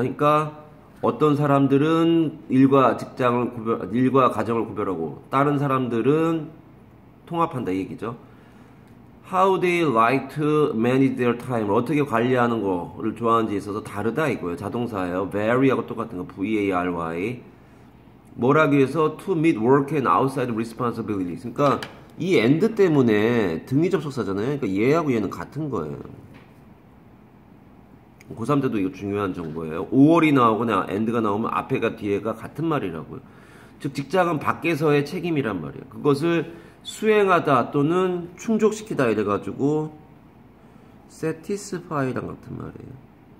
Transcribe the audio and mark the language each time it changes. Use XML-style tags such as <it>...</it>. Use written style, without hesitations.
<ko>그러니까 어떤 사람들은 일과 가정을 구별하고 다른 사람들은 통합한다 이 얘기죠.</ko> <en>How they like to manage their time.</en> <ko>어떻게 관리하는 거를 좋아하는지 있어서 다르다 이거예요. 자동사예요. Vary하고 똑같은 거. Vary. 뭘 하기 위해서 to meet work and outside responsibilities. 그러니까 이 and 때문에 등이 접속사잖아요. 그러니까 얘하고 얘는 같은 거예요. 고3 때도 이거 중요한 정보예요. 5월이 나오거나 and가 나오면 앞에가 뒤에가 같은 말이라고요. 즉 직장은 밖에서의 책임이란 말이에요. 그것을 수행하다 또는 충족시키다 이래가지고 satisfy란 같은 말이에요.</ko>